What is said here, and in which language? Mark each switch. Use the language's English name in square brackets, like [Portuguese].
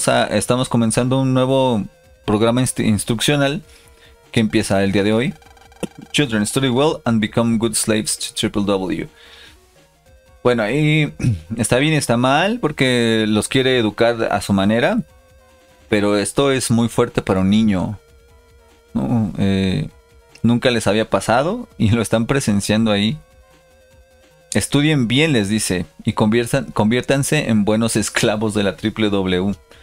[Spanish] Estamos comenzando un nuevo programa instruccional que empieza el día de hoy. [English] Children, study well and become good slaves to Triple W. [Spanish] Bueno, ahí está bien y está mal porque los quiere educar a su manera, pero esto es muy fuerte para un niño. No, nunca les había pasado y lo están presenciando ahí. Estudien bien, les dice, y conviértanse en buenos esclavos de la Triple W.